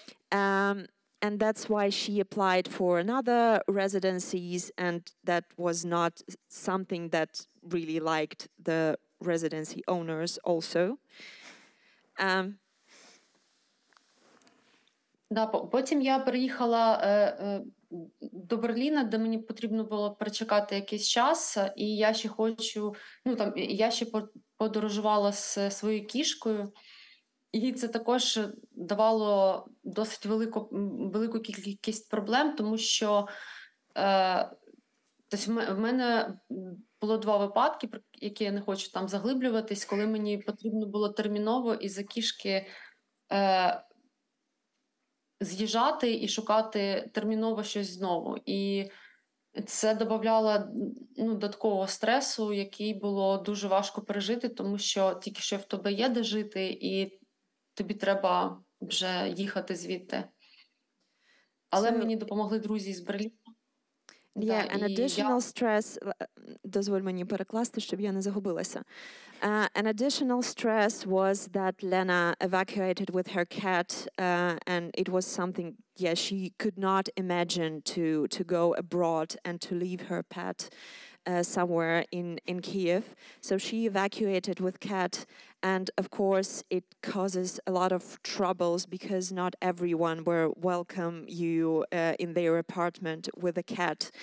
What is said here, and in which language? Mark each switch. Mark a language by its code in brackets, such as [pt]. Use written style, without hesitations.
[en] And that's why she applied for another residencies, and that was not something that really liked the residency owners also. [uk] Да, потім я приїхала до Берліна, де мені потрібно було перечекати якийсь час, і я ще хочу, ну там я ще подорожувала з своєю кішкою, і це також давало досить велику кількість проблем, тому що тобто в мене було 2 випадки, про які я не хочу там заглиблюватись, коли мені потрібно було терміново із-за кішки з'їжджати і шукати терміново щось знову. І це додавало ну, додаткового стресу, який було дуже важко пережити, тому що тільки що в тебе є де жити, і тобі треба вже їхати звідти. Але so, мені допомогли друзі з Берліна. [en] Yeah, an additional stress... [uk] Дозволь мені перекласти, щоб я не загубилася. [en] An additional stress was that Lena evacuated with her cat, and it was something, yeah, she could not imagine to go abroad and to leave her pet somewhere in Kyiv. So she evacuated with cat, and of course it causes a lot of troubles because not everyone will welcome you in their apartment with a cat.